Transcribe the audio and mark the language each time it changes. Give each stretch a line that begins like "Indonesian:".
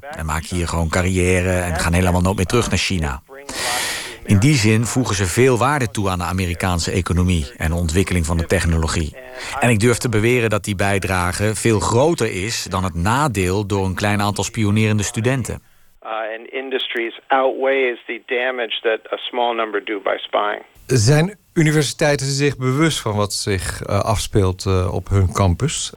Dutch: En maken hier gewoon carrière en gaan helemaal nooit meer terug naar China. In die zin voegen ze veel waarde toe aan de Amerikaanse economie en de ontwikkeling van de technologie. En ik durf te beweren dat die bijdrage veel groter is dan het nadeel door een klein aantal spionerende studenten.
English: And industries outweighs the damage that a small number do by spying.
Dutch: Zijn universiteiten zich bewust van wat zich afspeelt op hun campus?